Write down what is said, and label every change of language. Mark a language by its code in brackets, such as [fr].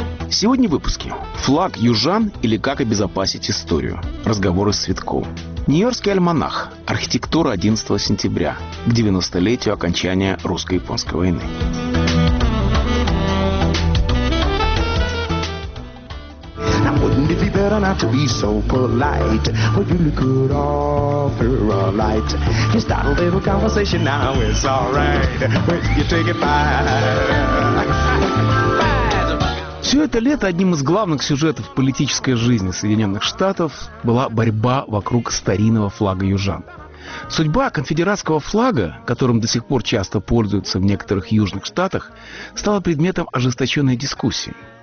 [ru] Сегодня в выпуске. Флаг южан или как обезопасить историю. Разговоры с Светковым. Нью-Йоркский альманах. Архитектура 11 сентября. К 90-летию окончания русско-японской войны. [en] Better not to be so polite, but you could offer a light. You start a little conversation now, it's all right, but you take it back. [ru] Все это лето одним из главных сюжетов политической жизни Соединенных Штатов была борьба вокруг старинного флага южан. Судьба конфедератского флага, которым до сих пор часто пользуются в некоторых южных штатах, стала предметом ожесточенной дискуссии.